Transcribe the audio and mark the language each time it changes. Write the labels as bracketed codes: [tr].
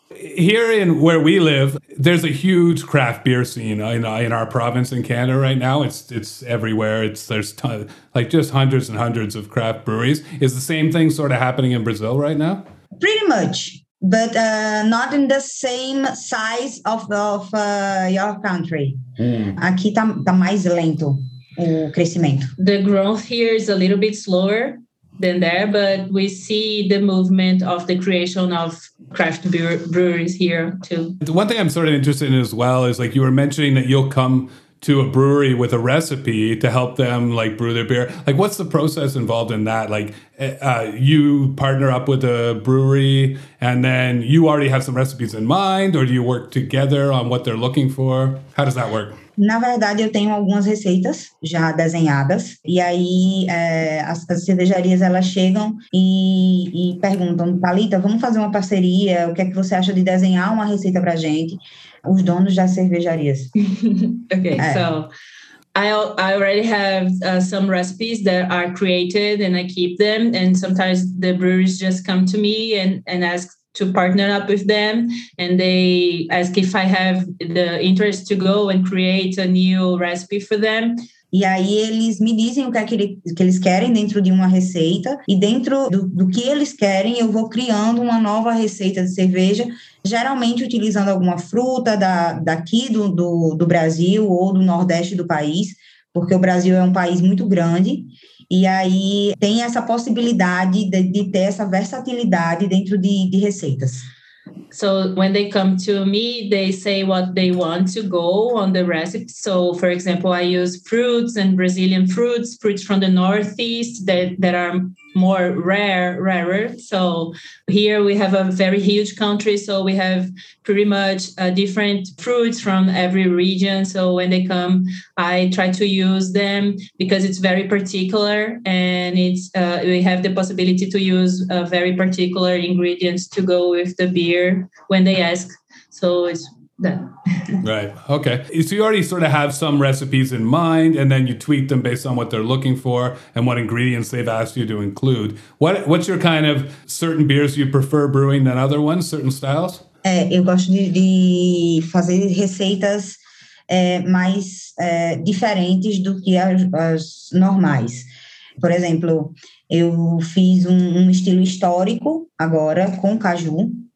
[en] Here in where we live, there's a huge craft beer scene in our province in Canada right now. It's everywhere. There's hundreds and hundreds of craft breweries. Is the same thing sort of happening in Brazil right now? Pretty much, but not in the same size of your country. Mm. [pt] Aqui tá mais lento o crescimento. [en] The growth here is a little bit slower than there, but we see the movement of the creation of craft breweries here too. The one thing I'm sort of interested in as well is, like, you were mentioning that you'll come to a brewery with a recipe to help them, like, brew their beer. Like, what's the process involved in that? Like, you partner up with a brewery and then you already have some recipes in mind, or do you work together on what they're looking for? How does that work? [pt] Na verdade, eu tenho algumas receitas já desenhadas. E aí, as cervejarias, elas chegam e perguntam, Thalita, vamos fazer uma parceria? O que é que você acha de desenhar uma receita pra gente? Os donos das cervejarias. [en] Okay, so I already have some recipes that are created and I keep them. And sometimes the breweries just come to me and ask to partner up with them, and they ask if I have the interest to go and create a new recipe for them. [pt] E aí eles me dizem o que é que eles querem dentro de uma receita, e dentro do que eles querem, eu vou criando uma nova receita de cerveja, geralmente utilizando alguma fruta daqui do Brasil ou do Nordeste do país, porque o Brasil é um país muito grande. E aí tem essa possibilidade de ter essa versatilidade dentro de receitas. [en] So when they come to me, they say what they want to go on the recipe. So, for example, I use fruits and Brazilian fruits from the Northeast that are more rarer. So here we have a very huge country, so we have pretty much different fruits from every region. So when they come, I try to use them because it's very particular, and it's we have the possibility to use very particular ingredients to go with the beer when they ask. So it's right. Okay. So you already sort of have some recipes in mind, and then you tweak them based on what they're looking for and what ingredients they've asked you to include. What's your kind of certain beers you prefer brewing than other ones, certain styles? [pt] Eu gosto de fazer receitas mais diferentes do que as normais. Por exemplo, eu fiz um estilo histórico agora com caju.